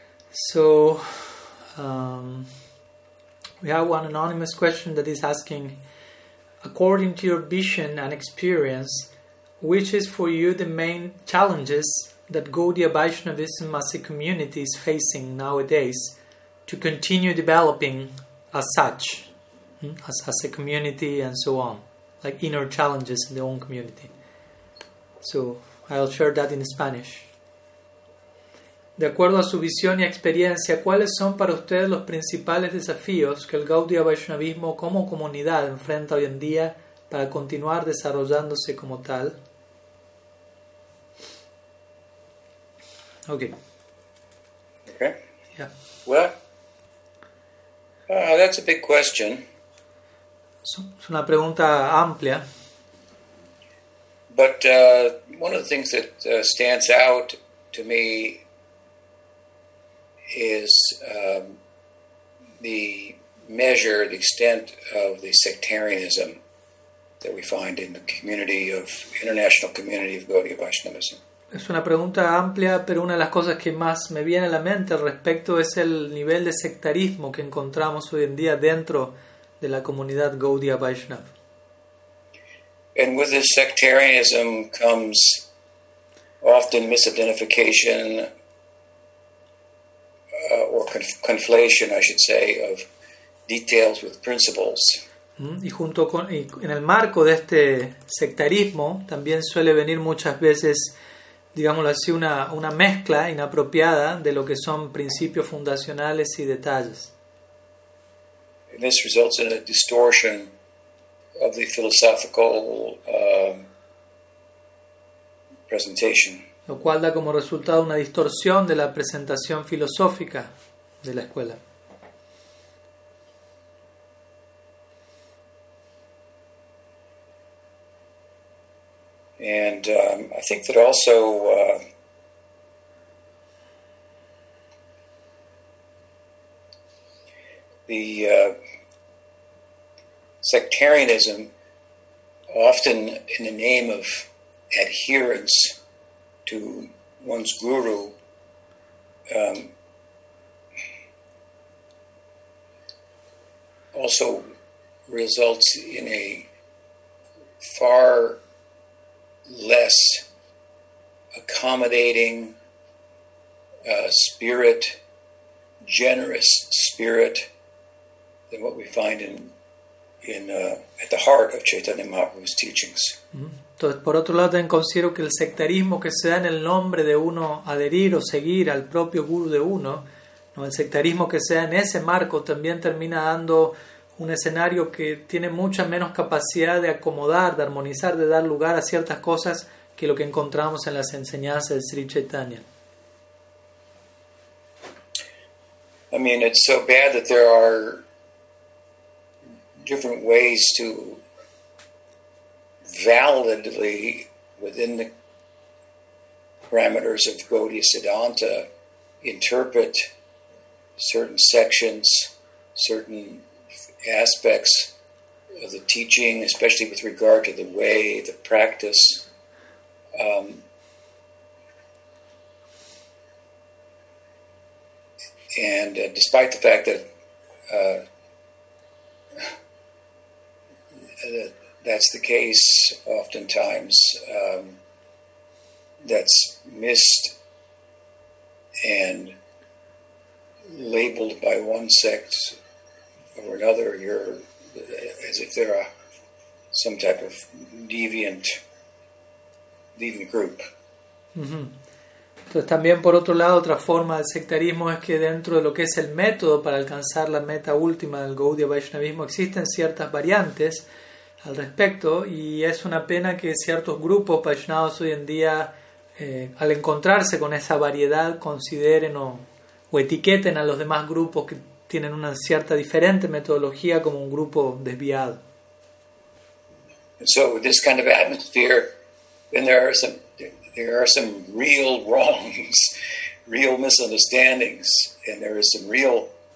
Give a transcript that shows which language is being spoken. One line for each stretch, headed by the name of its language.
English: So, we have one anonymous question that is asking, according to your vision and experience, which is for you the main challenges that Gaudiya Vaishnavism as a community is facing nowadays to continue developing as such, as a community and so on, like inner challenges in the own community? So I'll share that in Spanish.
Spanish: De acuerdo a su visión y experiencia, ¿cuáles son para ustedes los principales desafíos que el Gaudiya Vaishnavismo como comunidad enfrenta hoy en día para continuar desarrollándose como tal?
English: Okay. Okay. Yeah. Well, that's a big question.
Spanish: Es una pregunta amplia.
English: But one of the things that stands out to me is the measure, the extent of the sectarianism that we find in the community of international community of Gaudiya Vaishnavism.
Spanish: Es una pregunta amplia, pero una de las cosas que más me viene a la mente al respecto es el nivel de sectarismo que encontramos hoy en día dentro de la comunidad Gaudiya Vaishnav.
English: And with this sectarianism comes often misidentification or conflation, I should say, of details with principles.
Spanish: Y junto con, y en el marco de este sectarismo también suele venir muchas veces, digámoslo así, una mezcla inapropiada de lo que son principios fundacionales y detalles.
English: And this results in a distortion of the philosophical presentation.
Spanish: Lo cual da como resultado una distorsión de la presentación filosófica de la escuela.
English: And I think that also sectarianism, often in the name of adherence to one's guru, also results in a far less accommodating spirit, generous spirit, than what we find at the heart of Chaitanya Mahaprabhu's teachings.
Spanish: Entonces, por otro lado, también considero que el sectarismo que se da en el nombre de uno adherir o seguir al propio guru de uno, ¿no? El sectarismo que se da en ese marco también termina dando un escenario que tiene mucha menos capacidad de acomodar, de armonizar, de dar lugar a ciertas cosas que lo que encontramos en las enseñanzas de Sri Chaitanya.
English: I mean, it's so bad that there are different ways to validly, within the parameters of Gaudiya Siddhanta, interpret certain sections, certain aspects of the teaching, especially with regard to the way, the practice. And despite the fact that that's the case oftentimes, that's missed and labeled by one sect or another, you're as if they're some type of deviant group. Mm-hmm.
Spanish: Entonces también, por otro lado, otra forma del sectarismo es que dentro de lo que es el método para alcanzar la meta última del Gaudiya Vaishnavismo existen ciertas variantes al respecto, y es una pena que ciertos grupos Vaishnavas hoy en día, al encontrarse con esa variedad, consideren o etiqueten a los demás grupos que tienen una cierta diferente metodología como un grupo desviado.
English: So with this kind of atmosphere, then there are some real wrongs, real misunderstandings, and there is some real